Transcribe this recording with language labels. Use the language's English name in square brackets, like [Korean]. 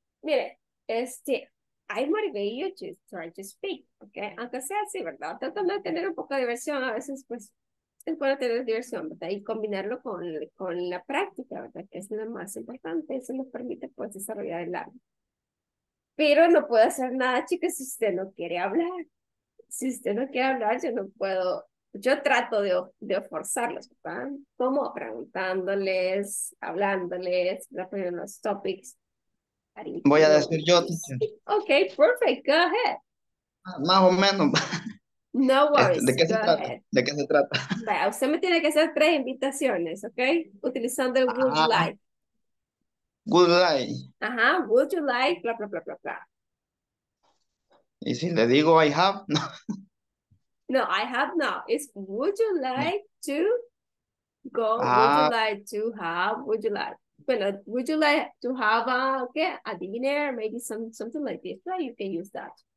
[Spanish] Mire, [English] I motivate you to try to speak, okay? [Spanish] Aunque sea así, ¿verdad? Tratando de tener un poco de diversión, a veces, pues, es bueno tener diversión, ¿verdad? Y combinarlo con la práctica, ¿verdad? Que es lo más importante, eso nos permite, pues, desarrollar el habla. Pero no puedo hacer nada, chicas, si usted no quiere hablar. Si usted no quiere hablar, yo no puedo. Yo trato de forzarlos, ¿verdad? Como preguntándoles, hablándoles, poniendo los topics. Voy a decir yo, teacher. [English] Ok, perfect, go ahead. [Spanish] Más o menos. [English] No worries. [Spanish] ¿De qué se trata? ¿De qué se trata? Bueno, usted me tiene que hacer tres invitaciones, ¿ok? Utilizando el [English] would you like. Would you like. Ajá, would you like, bla, bla, bla, bla, bla. [Spanish] ¿Y si le digo [English] I have? [Spanish] No. [English] No, I have not. It's would you like to go, would you like to have, would you like. [Spanish] Bueno, [English] would you like to have a dinner, maybe something like this? Well, you can use that.